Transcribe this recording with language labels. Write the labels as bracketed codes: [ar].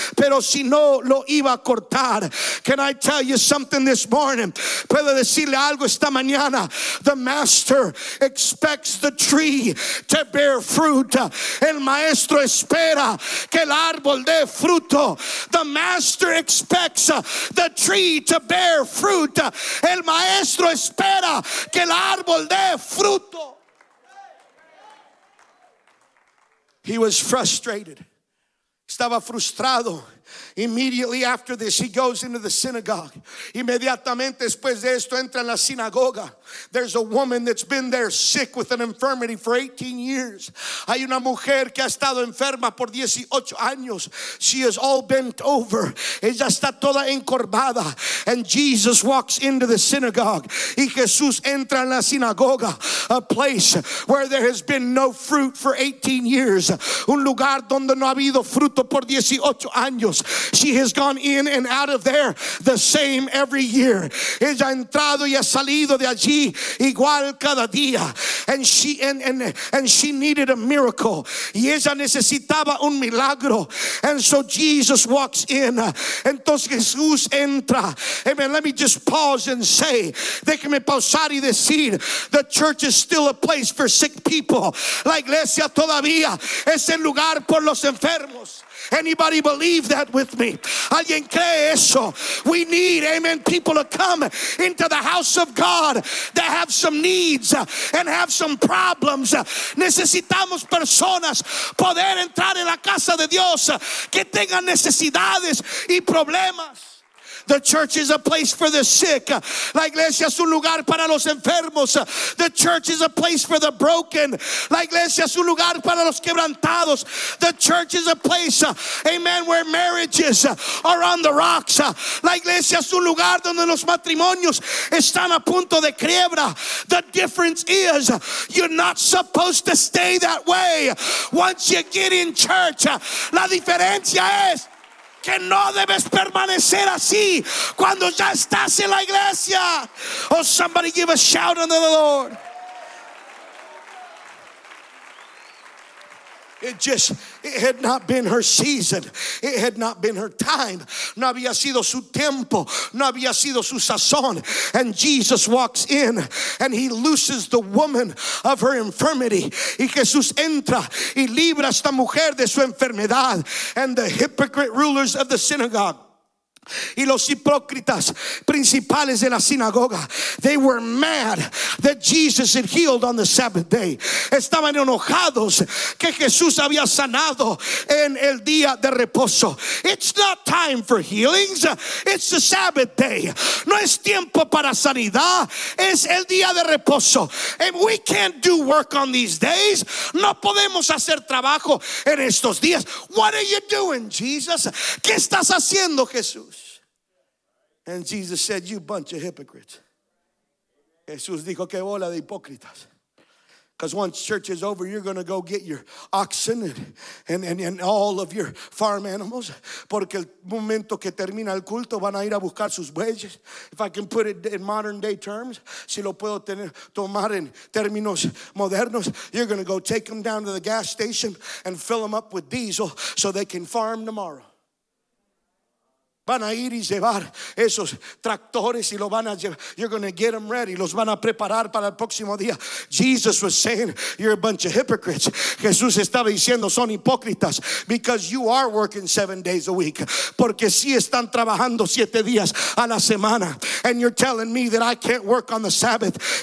[es] Pero si no, lo iba a cortar. [en] Can I tell you something this morning? [es] Puedo decirle algo esta mañana. [en] The master expects the tree to bear fruit. [es] El maestro espera que el árbol dé fruto. [en] The master expects the tree to bear fruit. [es] El maestro espera que el árbol dé fruto. [en] He was frustrated. [es] Estaba frustrado. [en] Immediately after this, he goes into the synagogue. [es] Inmediatamente después de esto, entra en la sinagoga. [en] There's a woman that's been there sick with an infirmity for 18 years. [es] Hay una mujer que ha estado enferma por 18 años. [en] She is all bent over. [es] Ella está toda encorvada. [en] And Jesus walks into the synagogue. [es] Y Jesús entra en la sinagoga, [en] a place where there has been no fruit for 18 years. [es] Un lugar donde no ha habido fruto por 18 años. [en] She has gone in and out of there the same every year. [es] Ella ha entrado y ha salido de allí igual cada día. [en] And she needed a miracle. [es] Y ella necesitaba un milagro. [en] And so Jesus walks in. [es] Entonces Jesús entra. [en] Amen. Let me just pause and say, [es] déjeme pausar y decir, [en] the church is still a place for sick people. [es] La iglesia todavía es el lugar por los enfermos. [en] Anybody believe that with me? [es] ¿Alguien cree eso? [en] We need, amen, people to come into the house of God that have some needs and have some problems. [es] Necesitamos personas poder entrar en la casa de Dios que tengan necesidades y problemas. [en] The church is a place for the sick. [es] La iglesia es un lugar para los enfermos. [en] The church is a place for the broken. [es] La iglesia es un lugar para los quebrantados. [en] The church is a place, amen, where marriages are on the rocks. [es] La iglesia es un lugar donde los matrimonios están a punto de quiebra. [en] The difference is, you're not supposed to stay that way. Once you get in church, [es] la diferencia es que no debes permanecer así cuando ya estás en la iglesia. [en] Oh, somebody give a shout unto the Lord. It had not been her season. It had not been her time. [es] No había sido su tiempo. No había sido su sazón. [en] And Jesus walks in and he looses the woman of her infirmity. [es] Y Jesús entra y libra a esta mujer de su enfermedad. [en] And the hypocrite rulers of the synagogue [es] y los hipócritas principales de la sinagoga, [en] they were mad that Jesus had healed on the Sabbath day. [es] Estaban enojados que Jesús había sanado en el día de reposo. [en] It's not time for healings. It's the Sabbath day. [es] No es tiempo para sanidad. Es el día de reposo. [en] And we can't do work on these days. [es] No podemos hacer trabajo en estos días. [en] What are you doing, Jesus? [es] ¿Qué estás haciendo, Jesús? [en] And Jesus said, you bunch of hypocrites. [es] Jesús dijo, que bola de hipócritas. [en] Because once church is over, you're going to go get your oxen and all of your farm animals. [es] Porque el momento que termina el culto, van a ir a buscar sus bueyes. [en] If I can put it in modern day terms, [es] si lo puedo tomar en términos modernos, [en] you're going to go take them down to the gas station and fill them up with diesel so they can farm tomorrow. [es] Van a ir y llevar esos tractores y lo van a llevar. [en] You're going to get them ready. [es] Los van a preparar para el próximo día. [en] Jesus was saying, you're a bunch of hypocrites. [es] Jesús estaba diciendo, son hipócritas. [en] Because you are working 7 days a week. [es] Porque sí están trabajando 7 días a la semana. [en] And you're telling me that I can't work on the Sabbath.